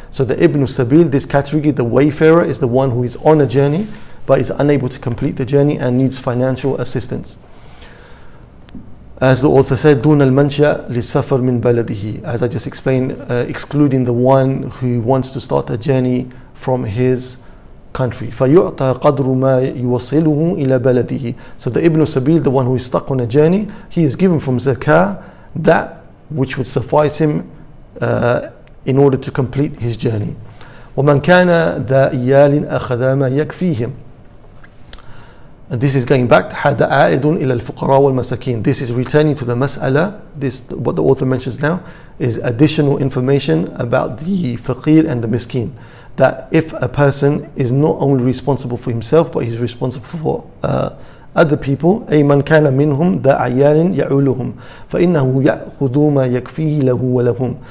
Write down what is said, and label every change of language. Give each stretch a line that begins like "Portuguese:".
English: So the Ibn Sabil, this category, the wayfarer, is the one who is on a journey but is unable to complete the journey and needs financial assistance. As the author said,
Arabic: دون المنشأ للسفر من بلده,
English: as I just explained, excluding the one who wants to start a journey from his country.
Arabic: فيعطى قدر ما يوصله إلى بلده.
English: So the Ibn Sabil, the one who is stuck on a journey, he is given from zakah that which would suffice him in order to complete his journey.
Arabic: ومن كان ذا إيال أخذ ما يكفيهم.
English: And this is going back to
Arabic: حَدَ عَائِدٌ إِلَى الْفُقَرَى وَالْمَسَكِينَ.
English: This is returning to the mas'ala. This, what the author mentions now, is additional information about the faqir and the miskin. That if a person is not only responsible for himself, but he's responsible for other people,
Arabic: أي مَنْ كَانَ مِنْهُمْ دَعْيَالٍ يَعُولُهُمْ فَإِنَّهُ يَأْخُذُ مَا يَكْفِيهِ لَهُ وَلَهُمْ.